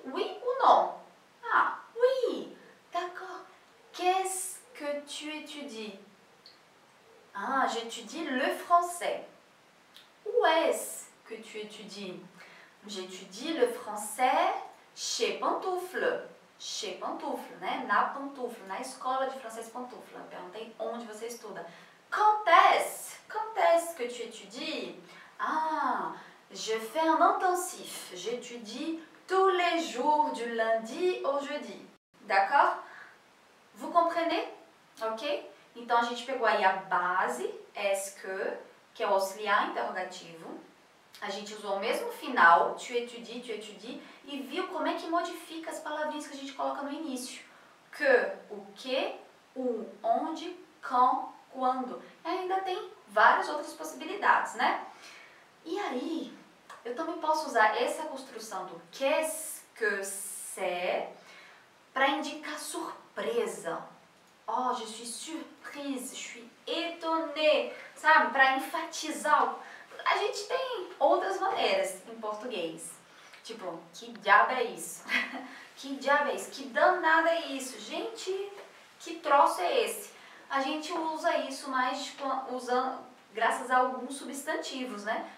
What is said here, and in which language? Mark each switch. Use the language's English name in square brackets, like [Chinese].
[French] Oui ou non? Ah, oui. D'accord. Qu'est-ce que tu étudies? Ah, j'étudie le français. Où est-ce que tu étudies? J'étudie le français chez Pantoufle. Chez Pantoufle, né? [Portuguese] Na Pantoufle, na escola de francês Pantoufle. Perguntei onde você estuda. [French] Quand est-ce que tu étudies? Ah, je fais un intensif. J'étudie tous les jours du lundi au jeudi. D'accord? Vous comprenez? Ok? [Portuguese] Então, a gente pegou aí a base, [French] est-ce que [Portuguese] é o auxiliar interrogativo. A gente usou o mesmo final, [French] tu étudies, [Portuguese] e viu como é que modifica as palavrinhas que a gente coloca no início. Que, o que, o, onde, quand, quando. E ainda tem várias outras possibilidades, né? E aí, eu também posso usar essa construção do [French] qu'est-ce que c'est [Portuguese] para indicar surpresa. [French] Oh, je suis surprise, je suis étonnée, [Portuguese] sabe? Para enfatizar. A gente tem outras maneiras em português Tipo, que diabo é isso? Que diabo é isso? Que danada é isso? Gente, que troço é esse? A gente usa isso mais usando, graças a alguns substantivos, né?